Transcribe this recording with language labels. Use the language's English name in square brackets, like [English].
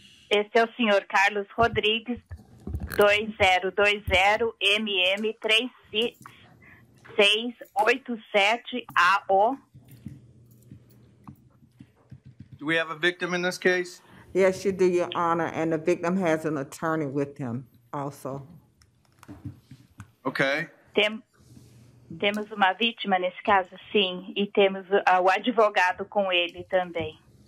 [Portuguese] Este é o senhor Carlos Rodrigues, 2020 MM3687AO. [English] Do we have a victim in this case? Yes, you do, Your Honor, and the victim has an attorney with him also. Okay. [Portuguese] Temos uma vítima nesse caso, sim, e temos o advogado com ele também.